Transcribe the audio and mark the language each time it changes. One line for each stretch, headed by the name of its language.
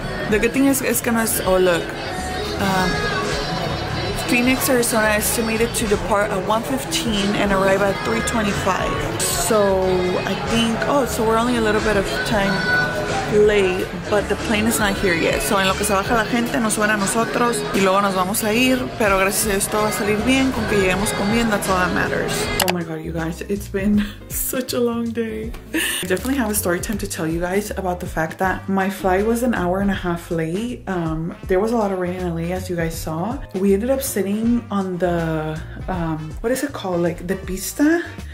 English: The good thing is it's gonna, oh look, Phoenix, Arizona estimated to depart at 1:15 and arrive at 3:25. So I think, oh, so we're only a little bit of time late, but the plane is not here yet.
Spanish: So en lo que se baja la gente, nos suena a nosotros y luego nos vamos a ir. Pero gracias a Dios todo va a salir bien, con que lleguemos con bien,
English: that's all that matters. Oh my God, you guys, it's been such a long day. I definitely have a story time to tell you guys about the fact that my flight was 1.5 hours late. There was a lot of rain in LA, as you guys saw. We ended up sitting on the, what is it called? Like the pista?